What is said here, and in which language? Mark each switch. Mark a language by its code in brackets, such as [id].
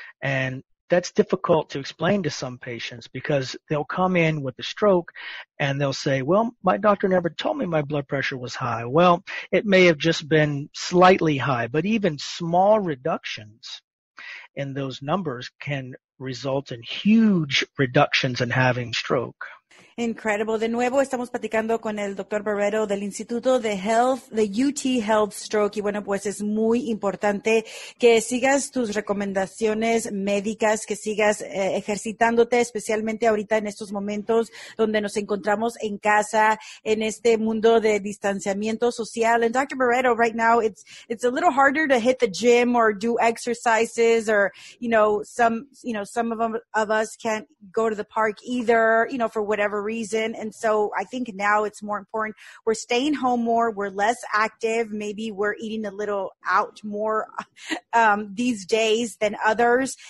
[en] And that's difficult to explain to some patients because they'll come in with a stroke and they'll say, well, my doctor never told me my blood pressure was high. Well, it may have just been slightly high, but even small reductions in those numbers can result in huge reductions in having stroke. Incredible. [es] De nuevo, estamos platicando con el Dr. Barreto del Instituto de Health, de UT Health Stroke. Y bueno, pues es muy importante que sigas tus recomendaciones médicas, que sigas ejercitándote, especialmente ahorita en estos momentos donde nos encontramos en casa, en este mundo de distanciamiento social. [en] And Dr. Barreto, right now, it's a little harder to hit the gym or do exercises or, some of us can't go to the park either, you know, for whatever reason. And so I think now it's more important. We're staying home more. We're less active. Maybe we're eating a little out more these days than others.